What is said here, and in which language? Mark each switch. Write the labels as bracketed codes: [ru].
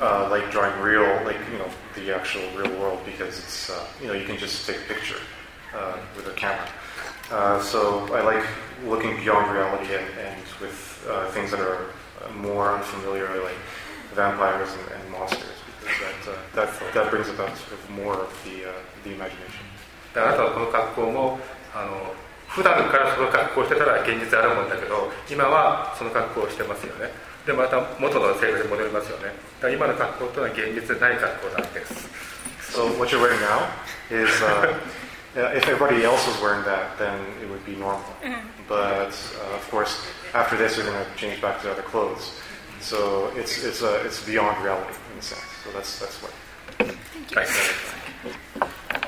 [en] Like drawing real, like, you know, the actual real world, because it's, you know, you can just take a picture with a camera. So I like looking beyond reality and with things that are more unfamiliar, like vampires and monsters, because that brings about sort of more of the imagination. [ja] あなたはこの格好も、あの、普段からその格好をしてたら現実あるもんだけど、今はその格好をしてますよね。でまた元の性格に戻りますよね。だから今の格好というのは現実でない格好なんです。 [en] So what you're wearing now is, if everybody else was wearing that, then it would be normal. But of course, after this, we're going to change back to other clothes. So it's beyond reality in a sense. So that's what. Thank you.